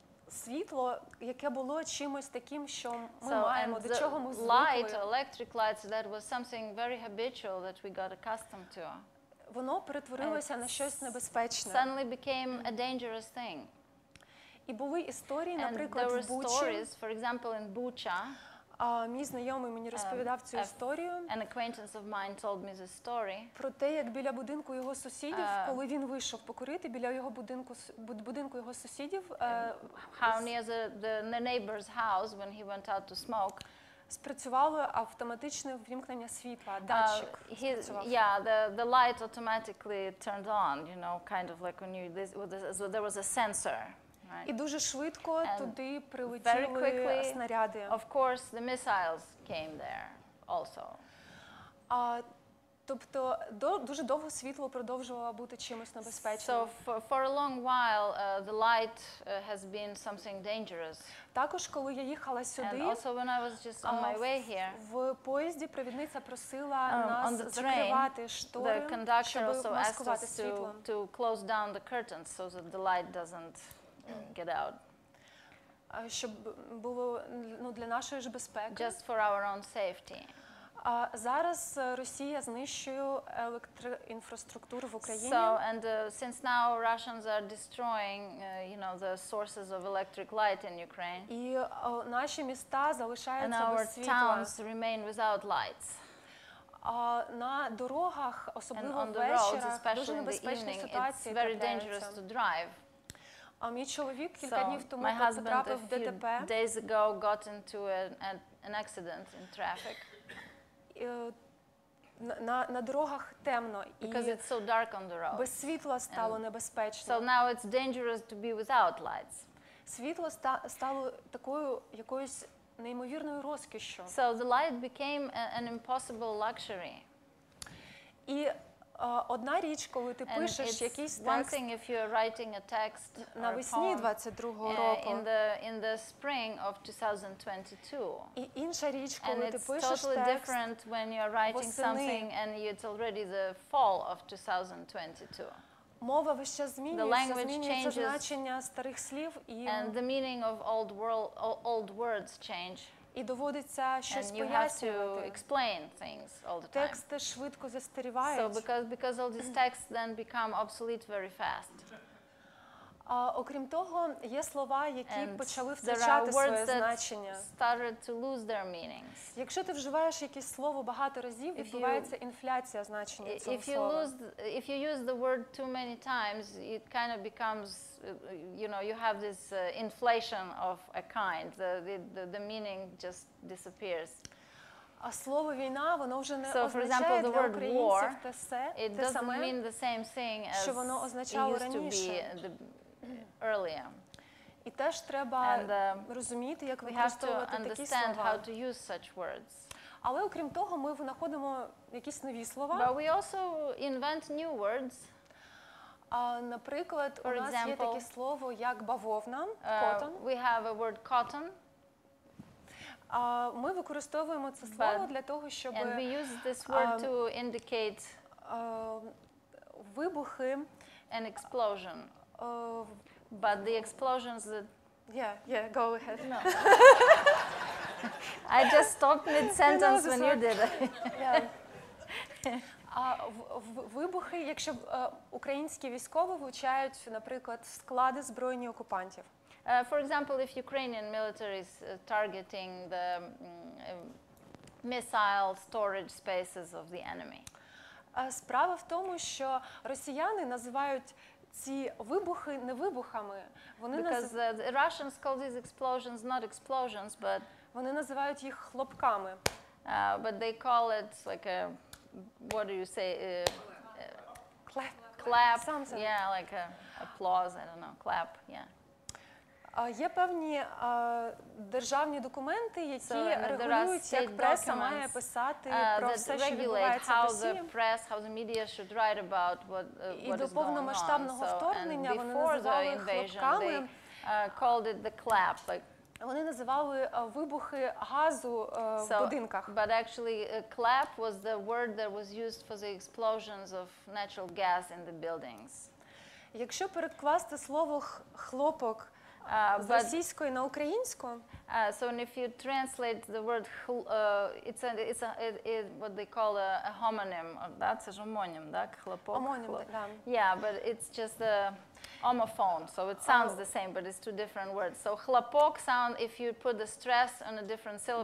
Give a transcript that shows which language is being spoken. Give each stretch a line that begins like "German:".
Ukrainian: світло, яке було чимось таким, що ми маємо, до чого ми звикли.
English: Light, electric lights, that was something very habitual that we got accustomed to.
Ukrainian: Воно перетворилося на щось небезпечне.
English: Suddenly became a dangerous thing.
Ukrainian: І були історії, наприклад, в Бучі.
English: Stories, for example, in Bucha.
Ukrainian: Мій знайомий мені розповідав цю історію.
English: An acquaintance of mine told me this story.
Ukrainian: Про те, як біля будинку його сусідів, коли він вийшов покурити, біля його будинку його сусідів,
English: how near the neighbor's house when he went out to smoke.
Ukrainian: Спрацювало автоматичне вимкнення світла, датчик.
English: The light automatically turned on, you know, kind of like when there was a sensor.
Ukrainian: І дуже швидко туди прилетіли снаряди.
English: Of course, the missiles came there also.
Ukrainian: Тобто дуже довго світло продовжувало бути чимось небезпечним.
English: So for a long while the light has been something dangerous.
Ukrainian: Також коли я їхала сюди,
English: and also when I was just on my way here,
Ukrainian: в поїзді провідниця просила нас закривати штори, щоб маскувати світло.
English: The conductor also asked us to close down the curtains so that the light doesn't get out.
Ukrainian: Щоб було, ну, для нашої ж безпеки.
English: Just for our own safety.
Ukrainian: Зараз Росія знищує електроінфраструктуру в Україні.
English: So, and since now Russians are destroying, you know, the sources of electric light in Ukraine.
Ukrainian: І наші міста залишаються без світла.
English: And our towns remain without lights.
Ukrainian: На дорогах, особливо ввечері, дуже небезпечна ситуація.
English: It's very dangerous to drive.
Ukrainian: А мій чоловік кілька днів тому потрапив в ДТП.
English: My husband a few days ago got into an accident in traffic.
Ukrainian: На дорогах темно, і
English: because it's so dark on the road.
Ukrainian: Без світла стало небезпечно.
English: So now it's dangerous to be without lights.
Ukrainian: Світло стало такою якоюсь неймовірною розкішю.
English: So the light became an impossible luxury.
Ukrainian: І одна річ, коли ти пишеш якийсь текст,
English: one thing if you're writing a text,
Ukrainian: навесні 22-го року,
English: in the spring of 2022.
Ukrainian: І інша річ, коли ти пишеш
English: text, and it's totally different when you're writing something and it's already the fall of 2022.
Ukrainian: Мова весь час змінюється, значення старих слів і
English: and the meaning of old words change.
Ukrainian: І доводиться щось пояснювати.
English: And you have to explain things all the time.
Ukrainian: Тексти швидко застарівають.
English: So because all these texts then become obsolete very fast.
Ukrainian: Окрім того, є слова, які почали втрачати своє значення.
English: Started to lose their meanings.
Ukrainian: Якщо ти вживаєш якесь слово багато разів, відбувається інфляція значення цього слова.
English: If you use the word too many times, it kind of becomes, you know, you have this inflation of a kind. The meaning just disappears.
Ukrainian: А слово війна, воно вже не
English: so,
Ukrainian: означає
English: the word
Ukrainian: для українців
English: war,
Ukrainian: те все,
English: it
Ukrainian: те саме,
English: mean the same thing as
Ukrainian: що воно означало раніше.
English: Earlier.
Ukrainian: І теж треба розуміти, як використовувати такі слова.
English: How to use such words.
Ukrainian: Але окрім того, ми знаходимо якісь нові слова.
English: But we also invent new words.
Ukrainian: Наприклад, у нас є таке слово, як бавовна,
English: cotton. We have a word cotton.
Ukrainian: Ми використовуємо це слово для того, щоб
English: and we use this word to indicate
Ukrainian: вибухи,
English: an explosion. But the explosions that yeah go ahead no I just stopped mid sentence when you did it.
Ukrainian: Вибухи, якщо українські військові влучають, наприклад, склади збройні окупантів.
English: For example, if Ukrainian military is targeting the missile storage spaces of the enemy.
Ukrainian: Справа в тому, що росіяни називають ці вибухи не вибухами. Вони
English: the Russians call these explosions not explosions, but
Ukrainian: вони називають їх хлопками.
English: But they call it like a what do you say? Clap something. Yeah, like a applause, I don't know, clap, yeah.
Ukrainian: Є певні державні документи, які регулюють, як преса має писати про все, що відбувається
English: how the press, how the media should write about what
Ukrainian: і до повномасштабного вторгнення вони називали хлопками.
English: Called it the clap, like
Ukrainian: вони називали вибухи газу в будинках.
English: But actually clap was the word that was used for the explosions of natural gas in the buildings.
Ukrainian: Якщо перекласти слово хлопок
English: So if you translate the word, it's what they call a homonym. That's a homonym,
Russian: да?
English: Хлопок. Homonym, yeah, but it's just a homophone. So it sounds the same, but it's two different words. So хлопок sound, if you put the stress on a different syllable,